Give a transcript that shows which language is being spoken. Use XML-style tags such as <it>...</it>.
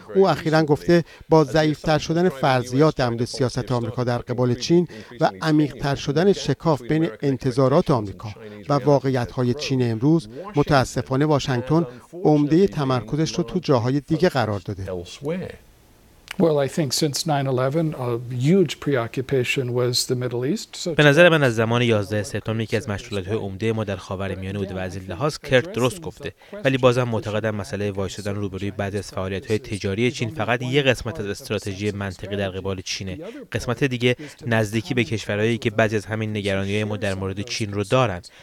<fa>او اخیراً گفته با ضعیف‌تر شدن فرضیات در مورد سیاست آمریکا در قبال چین و عمیق‌تر شدن شکاف بین انتظارات آمریکا و واقعیت‌های چین امروز، متأسفانه واشنگتن عمده تمرکزش رو تو جاهای دیگه قرار داده.</fa> <en>Well, I think since 9/11, a huge preoccupation was the Middle East.</en> <fa>به نظر من از زمان 11 سپتامبر یکی از مشغولیت‌های عمده ما در خاورمیانه بود و از این لحاظ کرت درست گفته. ولی بازم معتقدم مسئله وایسادن روبروی بعضی از فعالیت‌های تجاری چین فقط یک قسمت از استراتژی منطقی در قبال چینه. قسمت دیگه نزدیکی به کشورهایی که بعضی از همین نگرانی‌های ما در مورد چین رو دارن.</fa>